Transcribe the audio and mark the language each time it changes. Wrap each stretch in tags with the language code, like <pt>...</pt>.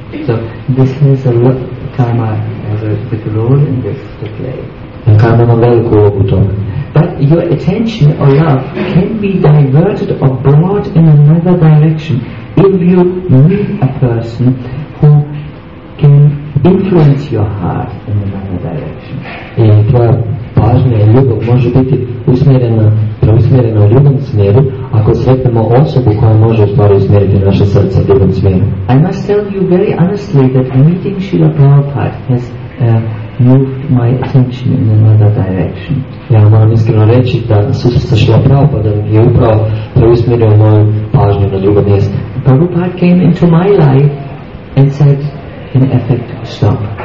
<en>So, this has a lot of karma as a big role in this to play.</en> <hr>Karma ima veliku ulogu u tome.</hr> <en>But your attention or love can be diverted or brought in another direction if you meet a person who can influence your heart in another direction.</en> <hr>I tvoja pažnja i ljubav može biti usmjerena, preusmjerena u ljubom smjeru, ako sretnemo osobu koja može u stvari usmjeriti naše srce u ljubom smjeru.</hr> <en>I must tell you very honestly that meeting Srila Prabhupada has moved my attention in another direction.</en> <hr>Ja moram iskreno reći da susret sa Srila Prabhupadom je upravo preusmjerio moju pažnju na drugo mjesto.</hr> <en>Prabhupada came into my life and said, in effect, stop.</en>